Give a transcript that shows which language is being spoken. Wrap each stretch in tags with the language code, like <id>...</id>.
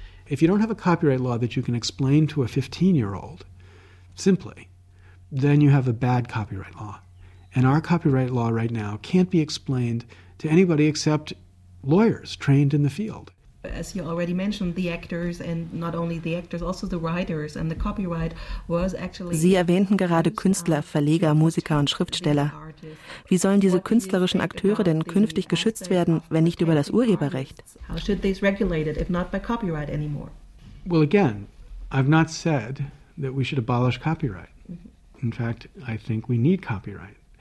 <en>If you don't have a copyright law that you can explain to a 15-year-old simply, then you have a bad copyright law. And our copyright law right now can't be explained to anybody except lawyers trained in the field. As you already mentioned, the actors and not only the actors, also the writers and the copyright was actually.</en> <de>Sie erwähnten gerade Künstler, Verleger, Musiker und Schriftsteller. Wie sollen diese künstlerischen Akteure denn künftig geschützt werden, wenn nicht über das Urheberrecht?</de> <en>How should they be regulated if not by copyright anymore? Well, again, I've not said that we should abolish copyright. In fact, I think we need copyright.</en>